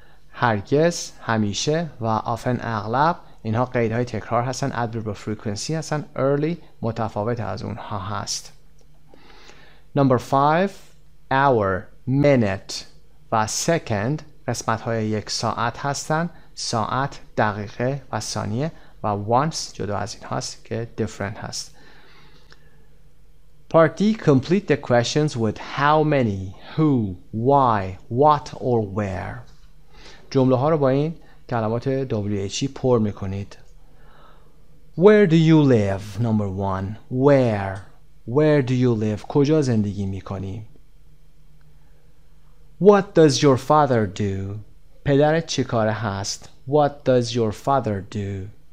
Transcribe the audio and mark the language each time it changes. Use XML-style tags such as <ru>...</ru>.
<fa>هرگز, همیشه و often اغلب, اینها قیدهای تکرار هستن, adverb of frequency هستن, early متفاوت از اونها هست. Number five, hour, minute و second, قسمت های یک ساعت هستن, ساعت, دقیقه و ثانیه و once جدا از این هست که different هست.</fa> <en>Part D, complete the questions with how many, who, why, what or where.</en> <fa>جمله ها رو با این کلمات WH پر میکنید.</fa> <en>Where do you live? Number one. Where do you live?</en> <fa>کجا زندگی میکنی؟</fa> <en>What does your father do?</en> <fa>پدرت چی کاره هست؟</fa> <en>What does your father do?</en>